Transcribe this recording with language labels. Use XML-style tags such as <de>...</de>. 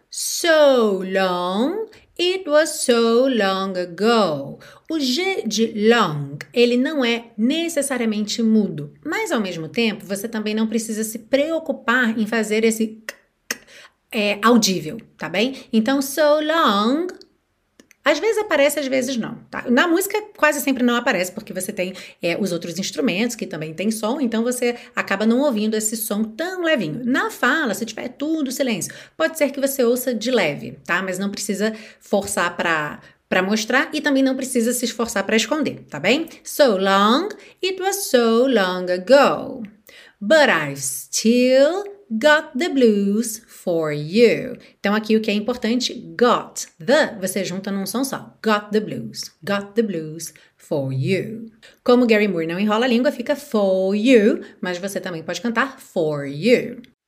<en>So long, it was so long ago.</en> <pt>O G de long, ele não é necessariamente mudo, mas ao mesmo tempo, você também não precisa se preocupar em fazer esse audível, tá bem? Então,</pt> <en>so long,</en> <pt>às vezes aparece, às vezes não, tá? Na música, quase sempre não aparece, porque você tem os outros instrumentos, que também tem som, então você acaba não ouvindo esse som tão levinho. Na fala, se tiver tudo silêncio, pode ser que você ouça de leve, tá? Mas não precisa forçar pra mostrar e também não precisa se esforçar pra esconder, tá bem?</pt> <en>So long, it was so long ago, but I've still got the blues for you.</en> <pt>Então, aqui o que é importante, got, the, você junta num som só.</pt> <en>Got the blues for you.</en> <pt>Como Gary Moore não enrola a língua, fica</pt> <en>for you,</en> <pt>mas você também pode cantar for you.</pt>